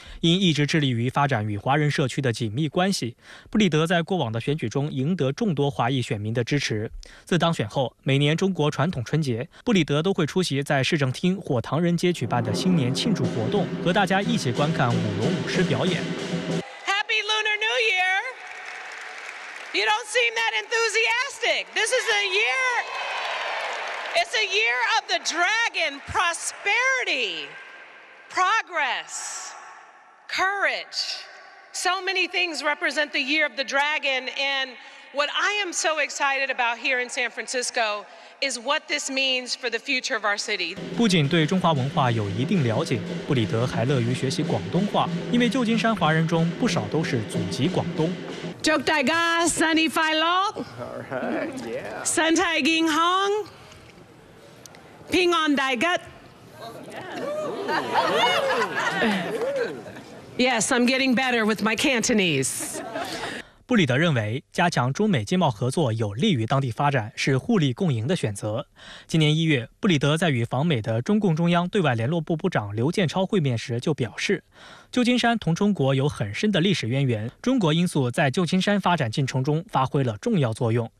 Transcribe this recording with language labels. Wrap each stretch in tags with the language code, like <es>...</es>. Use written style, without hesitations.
<zh>因一直致力于发展与华人社区的紧密关系，布里德在过往的选举中赢得众多华裔选民的支持。自当选后，每年中国传统春节，布里德都会出席在市政厅或唐人街举办的新年庆祝活动，和大家一起观看舞龙舞狮表演。</zh> <en>Happy Lunar New Year! You don't seem that enthusiastic. This is a year. It's a year of the dragon, prosperity, progress, courage. So many things represent the year of the dragon. And what I am so excited about here in San Francisco is what this means for the future of our city.</en> <zh>不仅对中华文化有一定了解，布里德还乐于学习广东话，因为旧金山华人中不少都是祖籍广东。祝大家新年快乐！</zh> <en>All right, yeah.</en> <zh>身体健康。平安大吉。</zh> <en>Yes, I'm getting better with my Cantonese.</en> <zh>布里德认为，加强中美经贸合作有利于当地发展，是互利共赢的选择。今年1月，布里德在与访美的中共中央对外联络部部长刘建超会面时就表示，旧金山同中国有很深的历史渊源，中国因素在旧金山发展进程中发挥了重要作用。</zh>